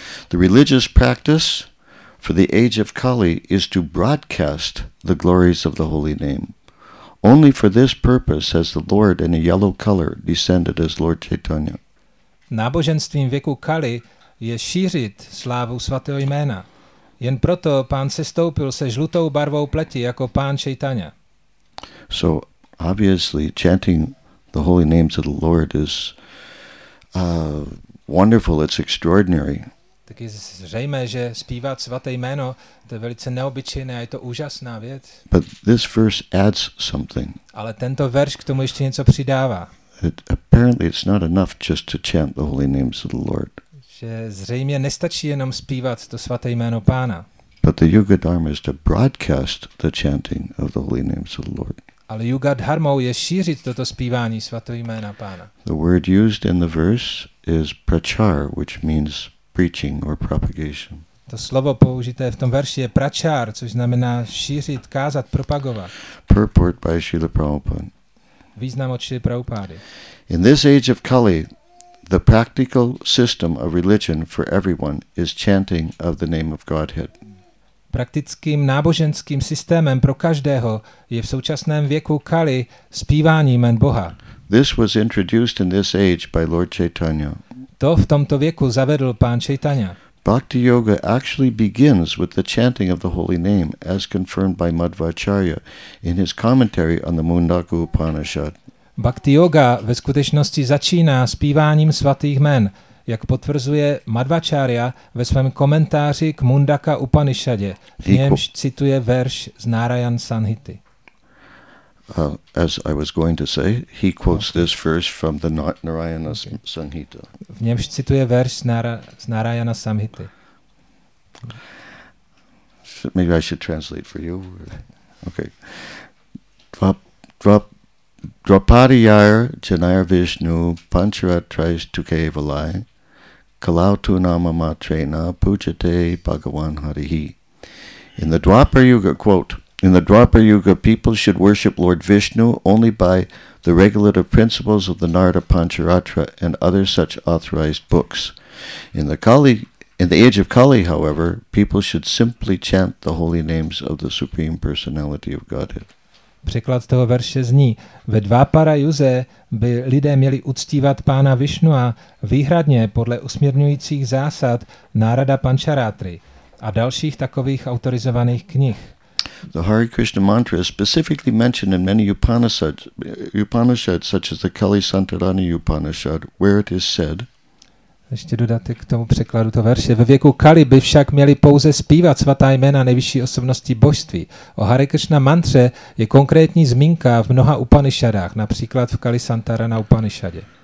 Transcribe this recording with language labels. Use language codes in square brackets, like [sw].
[en] The religious practice for the age of Kali is to broadcast the glories of the holy name. Only for this purpose has the Lord in a yellow color descended as Lord Chaitanya. [cs] Náboženstvím věku Kali je šířit slávu svatého jména. Jen proto pán se stoupil se žlutou barvou pleti jako pán Chaitanya. [en] So obviously chanting the holy names of the Lord is wonderful, it's extraordinary. [cs] Tak je zřejmé, že zpívat svaté jméno, to je velice neobyčejné a je to úžasná věc. [en] But this verse adds something. [cs] Ale tento verš k tomu ještě něco přidává. [en] Apparently it's not enough just to chant the holy names of the Lord. [cs] Že zřejmě nestačí jenom zpívat to svaté jméno pána. [en] But the Yuga Dharma is to broadcast the chanting of the holy names of the Lord. [cs] Ale Yuga Dharmou je šířit toto zpívání svatého jména pána. [en] The word used in the verse is prachar, which means preaching or propagation. [cs] To slovo použité v tom verši je prachar, což znamená šířit, kázat, propagovat. [en] Purport by Srila Prabhupada. [cs] Význam od Srila Prabhupady. [en] In this age of Kali, the practical system of religion for everyone is chanting of the name of Godhead. [cs] Praktickým náboženským systémem pro každého je v současném věku Kali zpívání jmen Boha. [en] This was introduced in this age by Lord Chaitanya. [cs] To v tomto věku zavedl pán Chaitanya. [en] Bhakti yoga actually begins with the chanting of the holy name as confirmed by Madhvacharya in his commentary on the Mundaka Upanishad. [cs] Bhakti yoga ve skutečnosti začíná zpíváním svatých jmen, jak potvrzuje Madhvacharya ve svém komentáři k Mundaka Upanishadě, v němž cituje verš z Narayan Sanhity. [en] As I was going to say, he quotes this verse from the Narayana Sanhita. [cs] V němž cituje verš z Narayana Sanhity. [en] So maybe I should translate for you. Okay. [sa] Draupadiyar janayar Vishnu pancharatrais tukevalai kalau tu nama matrena pujate Bhagavan Harihi. [en] In the Dwapar Yuga, quote, in the Dwapar Yuga, people should worship Lord Vishnu only by the regulative principles of the Narada Pancharatra and other such authorized books. In the age of Kali, however, people should simply chant the holy names of the Supreme Personality of Godhead. [cs] Překlad toho verše zní, ve Dvapara Yuze by lidé měli uctívat pána Vishnua výhradně podle usměrňujících zásad Narada Pancharatry a dalších takových autorizovaných knih. [en] The Hare Krishna mantra is specifically mentioned in many Upanishads, such as the Kali Santarani Upanishad, where it is said, [cs] Ještě dodatek k tomu překladu to verše. Ve věku Kali by však měli pouze zpívat svatá jména nejvyšší osobnosti božství. O Hare Krishna mantře je konkrétní zmínka v mnoha Upanishadách, například v Kali Santarana Upanishadě.